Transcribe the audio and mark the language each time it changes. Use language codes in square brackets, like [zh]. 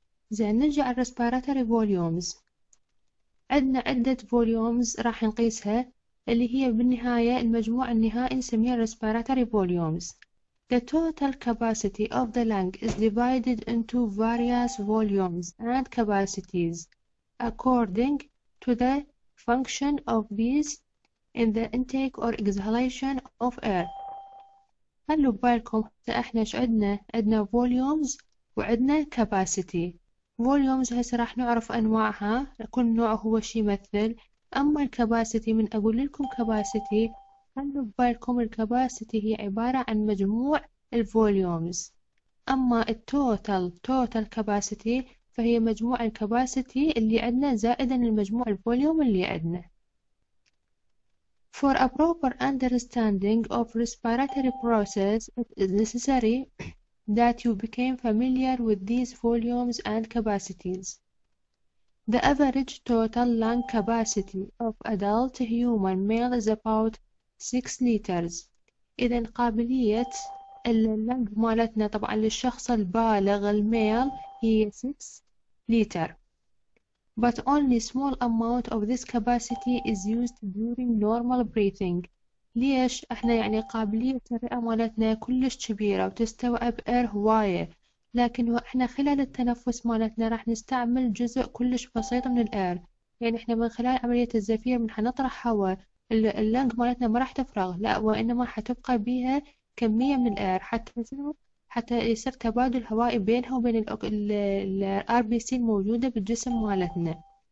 [ar] زين، نرجع على الريسبيراتوري فوليومز، عندنا عدة فوليومز راح نقيسها، اللي هي بالنهاية المجموع النهائي نسميه الريسبيراتوري فوليومز. [en] The total capacity of the lung is divided into various volumes and capacities according to the function of these in the intake or exhalation of air. [ar] خلوا بالكم احنا ايش عندنا؟ عندنا volumes وعندنا capacity. volumes هسه راح نعرف انواعها، كل نوع هو شي يمثل. اما الكباسيتي، من اقول لكم كباسيتي خلوا بالكم الكباسيتي هي عبارة عن مجموع الفوليومز، اما التوتال توتال كباسيتي فهي مجموع الكباسيتي اللي عندنا زائدا المجموع الفوليوم اللي عندنا. [en] For a proper understanding of respiratory process it is necessary that you became familiar with these volumes and capacities. The average total lung capacity of adult human male is about 6 liters. [ar] إذا قابلية اللنج مالتنا طبعا للشخص البالغ الميل هي 6 liter. [en] But only small amount of this capacity is used during normal breathing. [ar] ليش احنا يعني قابلية الرئة مالتنا كلش كبيرة وتستوعب اير هواية، لكن احنا خلال التنفس مالتنا راح نستعمل جزء كلش بسيط من الاير، يعني احنا من خلال عملية الزفير من حنطرح هواء اللنج مالتنا ما راح تفرغ، لا، وانما حتبقى بيها كمية من الاير حتى يصير تبادل هوائي بينها وبين الار بي سي الموجودة بالجسم مالتنا.